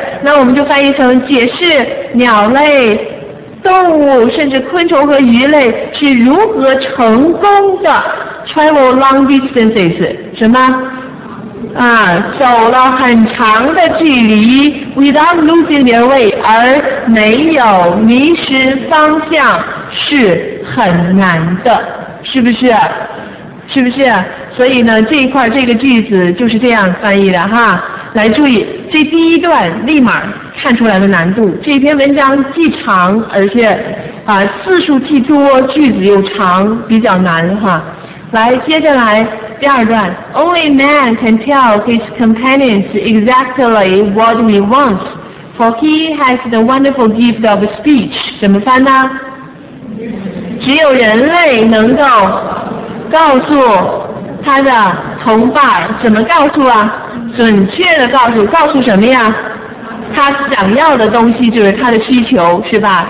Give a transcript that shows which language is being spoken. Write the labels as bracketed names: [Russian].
[Chinese] 那我们就翻译成解释鸟类动物甚至昆虫和鱼类是如何成功的 [English] travel long distances [Chinese] 什么啊，走了很长的距离 [English] without losing their way [Chinese] 而没有迷失方向是很难的，是不是？是不是？所以呢，这一块这个句子就是这样翻译的哈。来注意，这第一段立马看出来的难度，这篇文章既长，而且啊字数既多，句子又长，比较难哈。来，接下来。第二段 [English] Only man can tell his companions exactly what we want for he has the wonderful gift of speech [Chinese] 怎么翻呢？只有人类能够告诉他的同伴，怎么告诉啊？准确的告诉，告诉什么呀？他想要的东西就是他的需求，是吧？